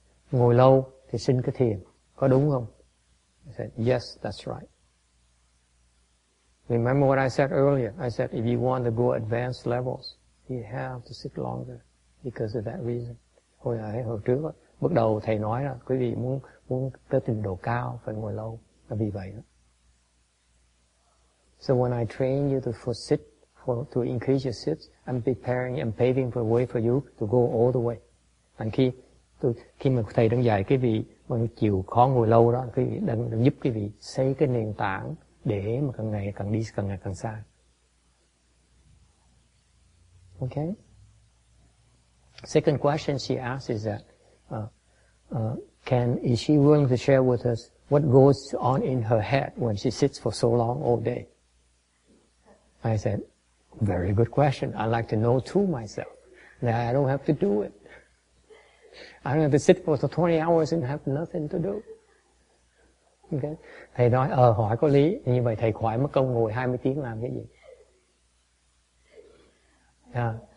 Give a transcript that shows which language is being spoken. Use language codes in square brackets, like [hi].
[vi] Ngồi lâu thì sinh cái thiền, có đúng không? [en] I said, yes, that's right. Remember what I said earlier? I said, if you want to go advanced levels, you have to sit longer because of that reason. [vi] Hồi trước, bước đầu thầy nói là quý vị muốn tới trình độ cao phải ngồi lâu, là vì vậy đó. [en] So when I train you to increase your sits, I'm preparing and paving the way for you to go all the way. [vi] And khi mà thầy đang dạy quý vị mà chịu khó ngồi lâu đó, quý vị đang giúp quý vị xây cái nền tảng để mà càng ngày càng đi, càng ngày càng xa. Okay? [en] Second question she asks is that, is she willing to share with us what goes on in her head when she sits for so long all day? I said, very good question. I'd like to know too myself, that I don't have to do it. I don't have to sit for 20 hours and have nothing to do. [vi] Okay? Thầy nói, hỏi có lý. Như vậy thầy khỏi mất công ngồi 20 tiếng làm cái gì? [en] Yeah.